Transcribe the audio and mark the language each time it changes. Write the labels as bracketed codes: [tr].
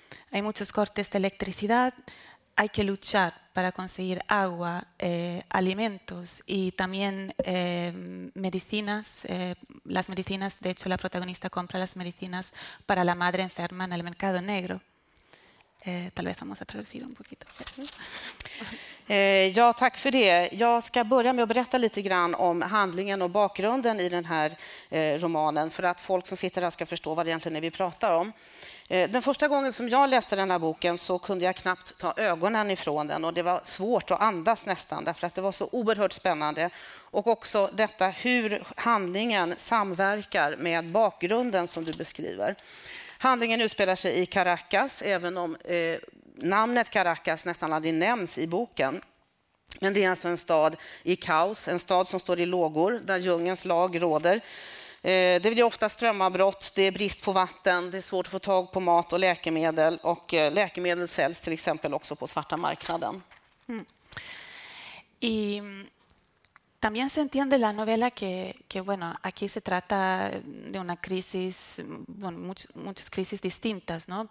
[es] Hay muchos cortes de electricidad, hay que luchar para conseguir agua, alimentos y también medicinas. Las medicinas, de hecho, la protagonista compra las medicinas para la madre enferma en el mercado negro. Tal vez vamos a traducir un poquito. [sv] Ja, tack för det. Jag ska börja med att berätta lite grann om handlingen och bakgrunden i den här romanen för att folk som sitter här ska förstå vad det egentligen är vi pratar om. Den första gången som jag läste den här boken så kunde jag knappt ta ögonen ifrån den och det var svårt att andas nästan därför att det var så oerhört spännande. Och också detta hur handlingen samverkar med bakgrunden som du beskriver. Handlingen utspelar sig i Caracas, även om namnet Caracas nästan aldrig nämns i boken. Men det är alltså en stad i kaos, en stad som står i lågor, där djungelns lag råder. Det blir ofta strömavbrott, det är brist på vatten, det är svårt att få tag på mat och läkemedel. Och läkemedel säljs till exempel också på svarta marknaden. Mm. [es] También se entiende la novela que bueno, aquí se trata de una crisis, bueno, muchas crisis distintas, ¿no?